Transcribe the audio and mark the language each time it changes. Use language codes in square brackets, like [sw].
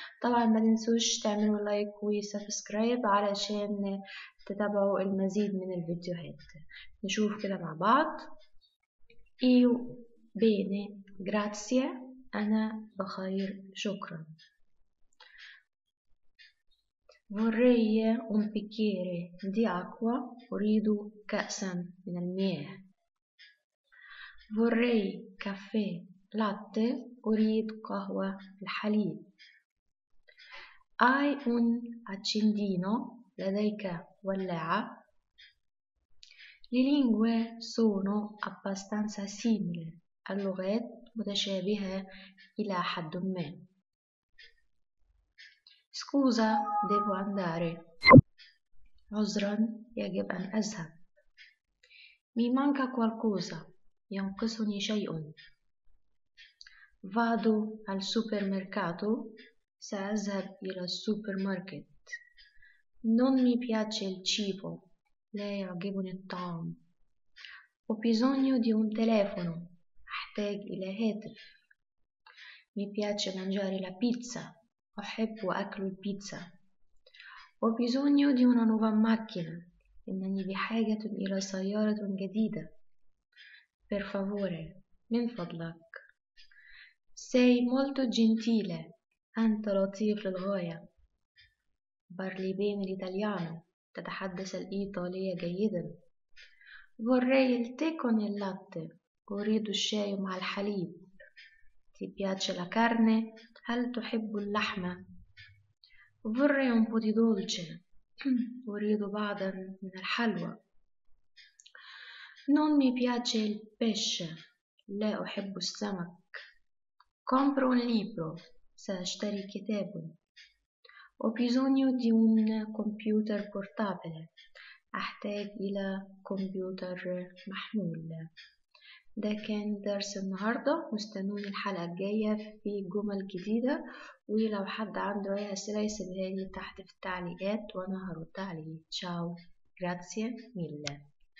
[ar] طبعا ما تنسوش تعملوا لايك وسبسكرايب علشان تتابعوا المزيد من الفيديوهات. نشوف كده مع بعض. [it] إيو بيني غراتسيا، [ar] أنا بخير شكرا. [it] Vorrei un bicchiere di acqua, [ar] أريد كأسا من المياه. [it] Vorrei caffè latte, [ar] أريد قهوة الحليب. [it] Hai un accendino, [ar] لديك ولاعة. [it] Le lingue sono abbastanza simili, [ar] اللغات متشابهة إلى حد ما. [it] Scusa, devo andare. [ar] عذراً يجب أن أذهب. [it] Mi manca qualcosa. [ar] ينقصني شيء. [it] Vado al supermercato. [ar] سأذهب إلى السوبر ماركت. [it] Non mi piace il cibo. [ar] لا يعجبني الطعام. [it] Ho bisogno di un telefono. [ar] أحتاج إلى هاتف. [it] Mi piace mangiare la pizza. [ar] أحب أكل البيتزا. [it] Ho bisogno di una nuova macchina. [ar] إنني بحاجة إلى سيارة جديدة. [it] Per favore. [ar] من فضلك. [it] Sei molto gentile. [ar] أنت لطيف للغاية. [it] Parli bene l'italiano. [ar] تتحدث الإيطالية جيدا. [it] Vorrei il tè con il latte. [ar] أريد الشاي مع الحليب. [it] Ti piace la carne? [ar] هل تحب اللحم؟ [it] Vorrei un po' di dolce. [ar] أريد بعضا من الحلوى. [it] Non mi piace il pesce. [ar] لا أحب السمك. [it] Compro un libro. [ar] سأشتري كتاب. [it] Ho bisogno di un computer portable. [ar] أحتاج إلى كمبيوتر محمول. ده كان درس النهاردة. مستنوني الحلقة الجاية في جمل جديدة، ولو حد عنده أي أسئلة يسيبها لي تحت في التعليقات وأنا هرد عليه. [it] تشاو، غراتسيا ميلا.